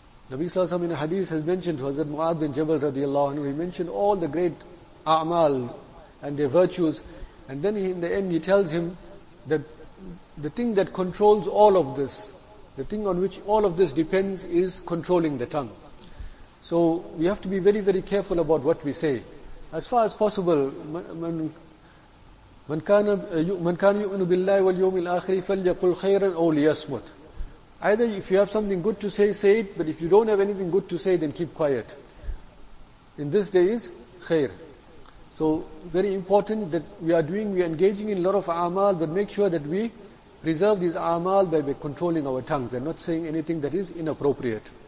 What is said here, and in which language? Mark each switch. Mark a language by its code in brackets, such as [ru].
[en] Nabi sallallahu alayhi wa sallam in a hadith has mentioned to Hazrat Mu'adh bin Jabal radiallahu anhu, he mentioned all the great a'mal and their virtues, and then in the end he tells him that the thing that controls all of this, the thing on which all of this depends, is controlling the tongue. So we have to be very, very careful about what we say. As far as possible, [ar] من كان يؤمن بالله واليوم الآخر فليقل خيرا أو ليصمت. [en] Either if you have something good to say, say it, but if you don't have anything good to say, then keep quiet. In this day is khair. So very important that we are doing, we are engaging in a lot of amal, but make sure that we preserve these amal by controlling our tongues and not saying anything that is inappropriate.